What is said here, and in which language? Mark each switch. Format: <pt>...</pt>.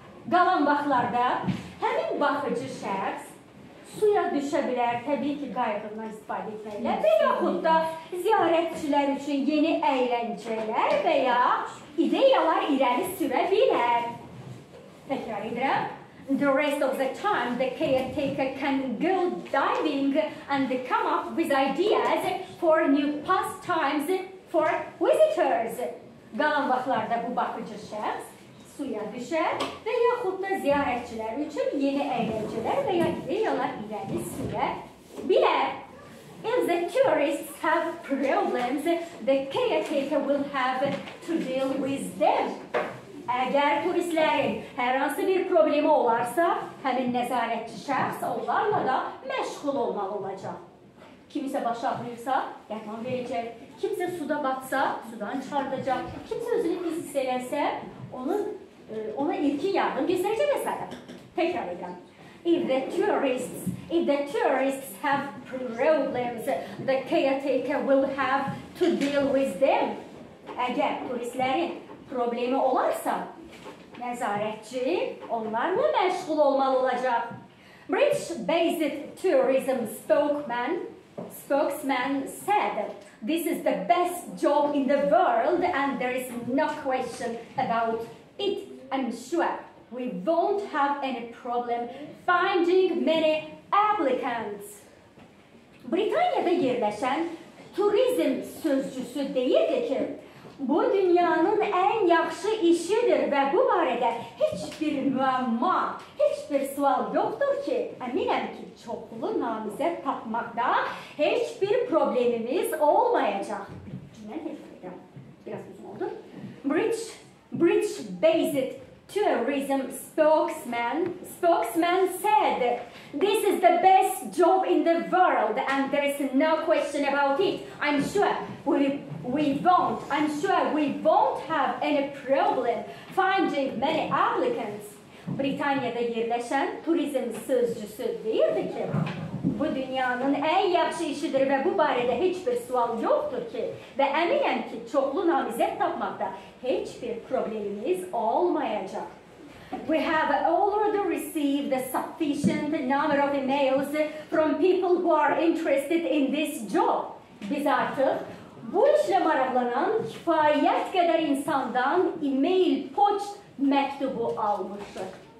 <az>Qalan vaxtlarda həmin baxıcı şəxs suya düşə bilər, təbii ki, qayıqından istifadə etməklə və yaxud da ziyarətçilər üçün yeni əyləncələr və ya ideyalar irəli sürə bilər. Təkrar edirəm.</az> <en>The rest of the time, the caretaker can go diving and come up with ideas for new pastimes for visitors.</en> <az>Qalan vaxtlarda bu baxıcı şəxs suya düşər və yaxud da ziyarətçilər üçün yeni əyləncələr və ya ideyalar irəli sürə bilər.</az> <en>If the tourists have problems, the caretaker will have to deal with them.</en> <az>Əgər turistlərin hər hansı bir problemi olarsa, həmin nəzarətçi şəxs onlarla da məşğul olmalı olacaq. Kimisə başı ağrıyırsa, dərman verəcək. Kimsə suda batsa, sudan çıxardacaq. Kimsə özünü pis hiss eləsə, ona ilkin yardım göstərəcək məsələ. Təkrar edirəm.</az> <en>If the tourists have problems, the caretaker will have to deal with them.</en> <az>Əgər turistlərin problemi olarsa, nəzarətçi onlarla məşğul olmalı olacaq.</az> <en>British-based tourism spokesman said, this is the best job in the world and there is no question about it, I'm sure. We won't have any problem finding many applicants.</en> <az>Britaniyada yerləşən turizm sözcüsü deyirdi ki, bu dünyanın ən yaxşı işidir və bu barədə heç bir müəmma, heç bir sual yoxdur ki, əminəm ki, çoxlu namizəd tapmaqda heç bir problemimiz olmayacaq. Cümləni təkrar edirəm. Biraz uzun oldu.</az> <en>British-based tourism spokesman said, this is the best job in the world and there is no question about it. I'm sure we won't have any problem finding many applicants.</en> <az>Britaniyada yerləşən turizm sözcüsü deyirdi ki, bu dünyanın ən yaxşı işidir və bu barədə heç bir sual yoxdur ki və əminəm ki, çoxlu namizəd tapmaqda heç bir problemimiz olmayacaq.</az> <en>We have already received a sufficient number of emails from people who are interested in this job.</en> <az>Biz artıq bu işlə maraqlanan kifayət qədər insandan e-mail poçt məktubu almışıq.</az>